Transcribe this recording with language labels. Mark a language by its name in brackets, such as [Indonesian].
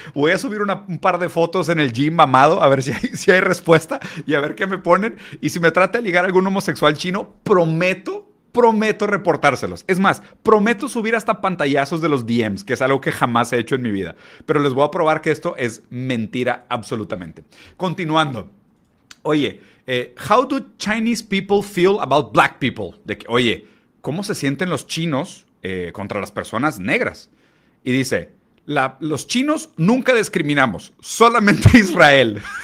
[Spanish] Voy a subir un par de fotos en el gym mamado a ver si hay respuesta y a ver qué me ponen. Y si me trata de ligar algún homosexual chino, prometo reportárselos. Es más, prometo subir hasta pantallazos de los DMs, que es algo que jamás he hecho en mi vida. Pero les voy a probar que esto es mentira absolutamente. Continuando. [English] Oye, how do Chinese people feel about black people? [Spanish] De que, oye, ¿cómo se sienten los chinos contra las personas negras? Y dice, los chinos nunca discriminamos, solamente Israel.